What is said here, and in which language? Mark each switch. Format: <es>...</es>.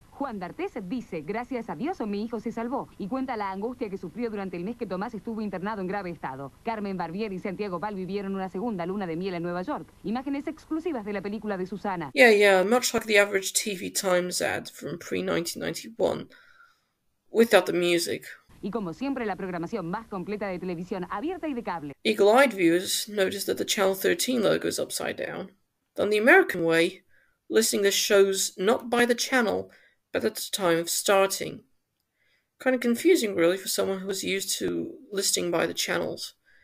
<es>Juan D'Artes dice, gracias a Dios mi hijo se salvó, y cuenta la angustia que sufrió durante el mes que Tomás estuvo internado en grave estado. Carmen Barbier y Santiago Val vivieron una segunda luna de miel en Nueva York. Imágenes exclusivas de la película de Susana.</es> <en>Yeah, much like the average TV Times ad from pre-1991. Without the music.</en> <es>Y como siempre, la programación más completa de televisión abierta y de cable.</es> <en>Eagle-eyed viewers notice that the Channel 13 logo is upside down. Done the American way, listing the shows not by the channel, but at the time of starting. Kind of confusing, really, for someone who was used to listing by the channels.</en>